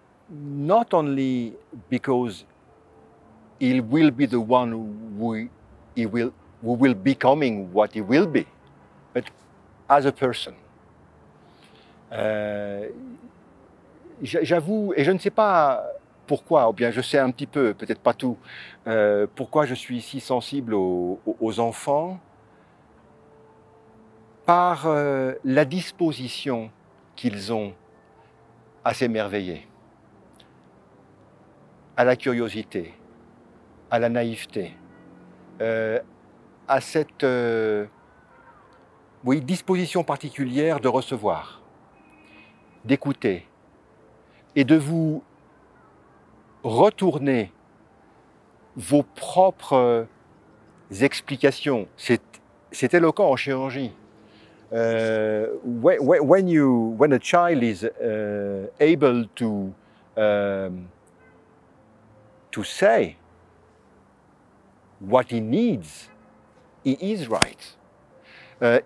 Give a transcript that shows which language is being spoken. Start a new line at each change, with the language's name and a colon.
English: Not only because he will be the one who will becoming what he will be, but as a person.
French: J'avoue, et je ne sais pas pourquoi, ou bien je sais un petit peu, peut-être pas tout, pourquoi je suis si sensible aux enfants, par la disposition qu'ils ont à s'émerveiller, à la curiosité, à la naïveté, à cette disposition particulière de recevoir, d'écouter et de vous retourner vos propres explications. C'est éloquent en chirurgie.
English: When a child is able to say what he needs, he is right.